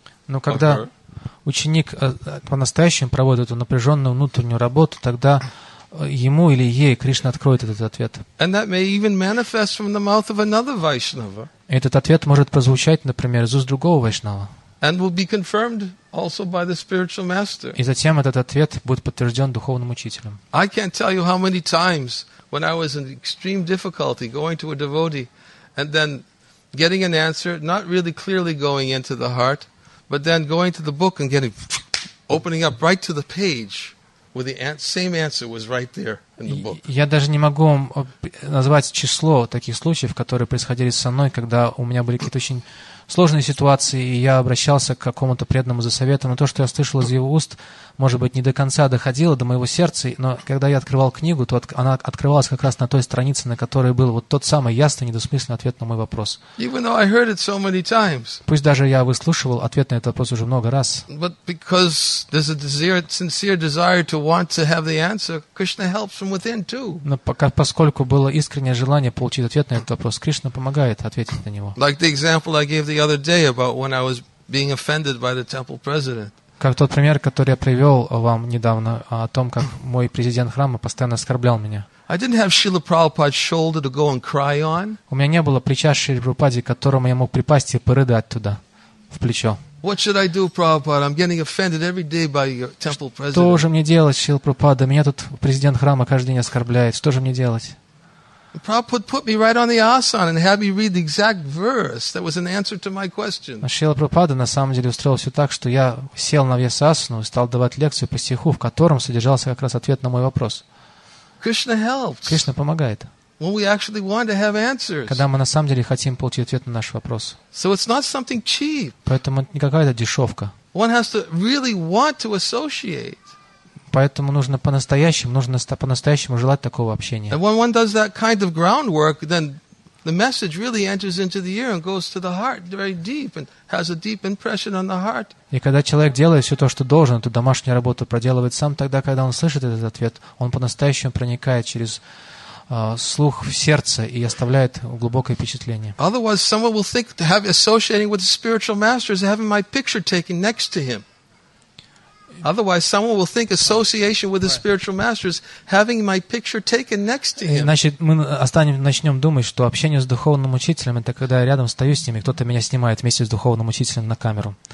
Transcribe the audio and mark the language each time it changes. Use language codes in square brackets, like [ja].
[ru] Но когда ученик по-настоящему проводит эту напряженную внутреннюю работу, тогда ему или ей Кришна откроет этот ответ. [en] And that may even manifest from the mouth of another Vaishnava. [ru] Этот ответ может прозвучать, например, из уст другого Вайшнава. [en] And will be confirmed also by the spiritual master. [ru] И затем этот ответ будет подтвержден духовным учителем. [en] I can't tell you how many times when I was in extreme difficulty going to a devotee and then getting an answer, not really clearly going into the heart, but then going to the book and getting opening up right to the page. With the same answer was right there in the book. [ru] Я даже не могу вам назвать число таких случаев, которые происходили со мной, когда у меня были какие-то очень сложные ситуации, и я обращался к какому-то преданному за советом, но то, что я слышал из его уст, может быть, не до конца доходило до моего сердца, но когда я открывал книгу, то она открывалась как раз на той странице, на которой был вот тот самый ясный, недосмысленный ответ на мой вопрос. [en] Even though I heard it so many times. [ru] Пусть даже я выслушивал ответ на этот вопрос уже много раз. [en] But because there's a sincere desire to want to have the answer, Krishna helps from within too. [ru] Но поскольку было искреннее желание получить ответ на этот вопрос, Кришна помогает ответить на него. [en] Like the example I gave the other day about when I was being offended by the temple president. [ru] Как тот пример, который я привел вам недавно о том, как мой президент храма постоянно оскорблял меня. [en] I didn't have Srila Prabhupada's shoulder to go and cry on. [ru] У меня не было плеча Шрилы Прабхупады, которому я мог припасть и порыдать туда в плечо. [en] What should I do, Prabhupada? I'm getting offended every day by your temple president. [ru] Что же мне делать, Шрила Прабхупада? Меня тут президент храма каждый день оскорбляет. Что же мне делать? [en] Prabhupada put me right on the asana and had me read the exact verse that was an answer to my question. [ru] А Шрила Прабхупада на самом деле устроил все так, что я сел на вьясасану и стал давать лекцию по стиху, в котором содержался как раз ответ на мой вопрос. [en] Krishna helps. [ru] Кришна помогает. [en] When we actually want to have answers. [ru] Когда мы на самом деле хотим получить ответ на наш вопрос. [en] So it's not something cheap. [ru] Поэтому это не какая-то дешевка. [en] One has to really want to associate. [ru] Поэтому нужно по-настоящему желать такого общения. [en] And when one does that kind of groundwork, then the message really enters into the ear and goes to the heart very deep and has a deep impression on the heart. [ru] И когда человек делает все то, что должен, эту домашнюю работу проделывает сам, тогда, когда он слышит этот ответ, он по-настоящему проникает через слух в сердце и оставляет глубокое впечатление. [en] Otherwise, someone will think to have associating with the spiritual masters and having my picture taken next to him. Otherwise, someone will think association with the spiritual masters having my picture taken next to him. [ru] Иначе мы начнем думать, что общение с духовным учителем — это когда я рядом стою с ними, кто-то меня снимает вместе с духовным учителем на камеру.